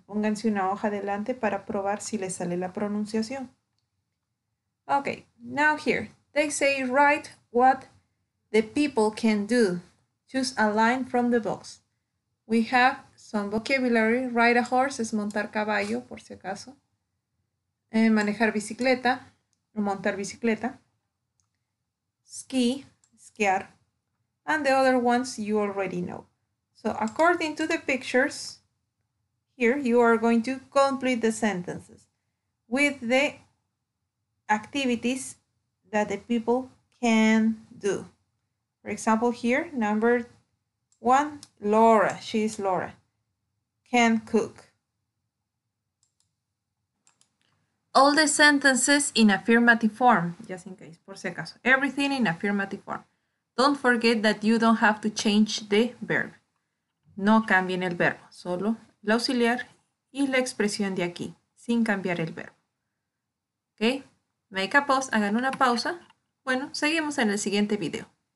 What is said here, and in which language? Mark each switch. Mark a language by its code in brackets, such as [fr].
[es] Pónganse una hoja adelante para probar si les sale la pronunciación. [en] Okay, now here. They say write what the people can do. Choose a line from the box. We have some vocabulary. Ride a horse [es] es montar caballo, por si acaso. Manejar bicicleta, montar bicicleta. Ski, esquiar. [en] And the other ones you already know. So according to the pictures, here you are going to complete the sentences with the activities that the people can do. For example, here, number one, Laura, she is Laura, can cook. All the sentences in affirmative form, just in case, [es] por si acaso, [en] everything in affirmative form. Don't forget that you don't have to change the verb. [es] No cambien el verbo, solo el auxiliar y la expresión de aquí, sin cambiar el verbo. [en] Okay, make a pause, [es] hagan una pausa. Bueno, seguimos en el siguiente video.